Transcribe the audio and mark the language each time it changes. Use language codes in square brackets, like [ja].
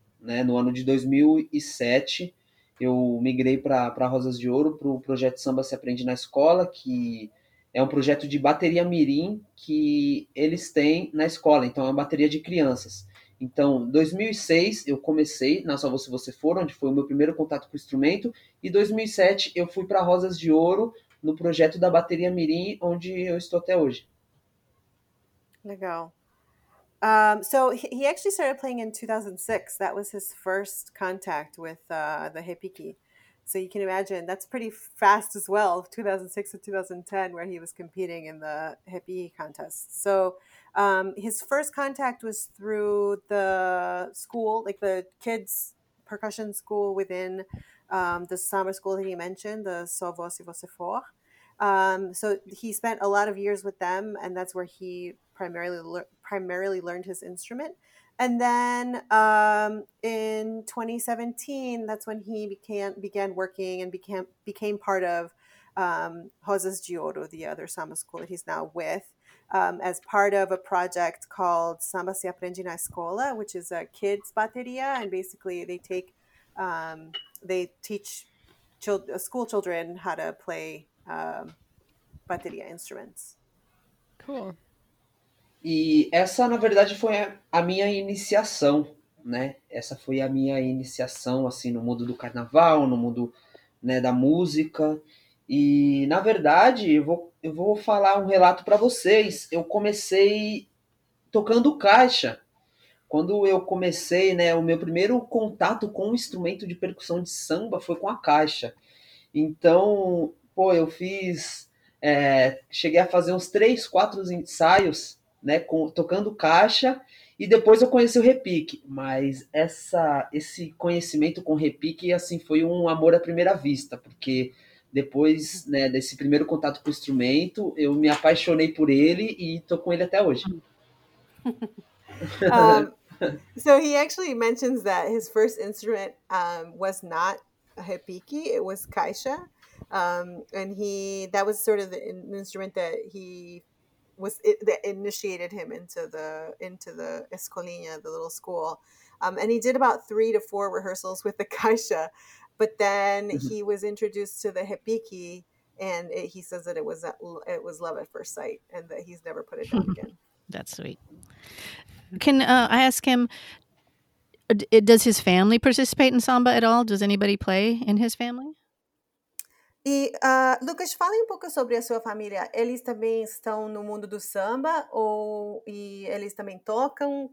[pt] Né, no ano de 2007, eu migrei para Rosas de Ouro, para o projeto Samba Se Aprende na Escola, que é um projeto de bateria mirim que eles têm na escola. Então, é uma bateria de crianças. Então, em 2006, eu comecei na Só Vou Se Você For, onde foi o meu primeiro contato com o instrumento. E em 2007, eu fui para Rosas de Ouro, no projeto da bateria mirim, onde eu estou até hoje. Legal. [en] So he actually started playing in 2006. That was his first contact with the repique. So you can imagine that's pretty fast as well, 2006 to 2010, where he was competing in the repique contest. So his first contact was through the school, like the kids' percussion school within the summer school that he mentioned, the Só Vou Se Você For. So he spent a lot of years with them, and that's where he primarily learned his instrument. And then in 2017, that's when he began working and became part of Rosas de Ouro, the other samba school that he's now with, as part of a project called Samba Se Aprende na Escola, which is a kids' bateria. And basically they teach school children how to play bateria instruments. Cool. [pt] E essa, na verdade, foi a minha iniciação, né? Essa foi a minha iniciação, assim, no mundo do carnaval, no mundo, né, da música. E, na verdade, eu vou falar um relato para vocês. Eu comecei tocando caixa. Quando eu comecei, né, o meu primeiro contato com o instrumento de percussão de samba foi com a caixa. Então, pô, eu fiz... cheguei a fazer uns 3-4 ensaios... né, tocando caixa, e depois eu conheci o repique. Mas esse conhecimento com repique, assim, foi um amor à primeira vista, porque depois, né, desse primeiro contato com o instrumento, eu me apaixonei por ele e tô com ele até hoje. [en] So he actually mentions that his first instrument was not a repique, it was caixa, and that was sort of the instrument that that initiated him into the Escolinha, the little school. And he did about 3 to 4 rehearsals with the caixa, but then he was introduced to the repique, and he says that it was love at first sight, and that he's never put it down again. That's sweet. Can I ask him, does his family participate in samba at all? Does anybody play in his family? [pt] E, Lucas, fale um pouco sobre a sua família. Eles também estão no mundo do samba e eles também tocam?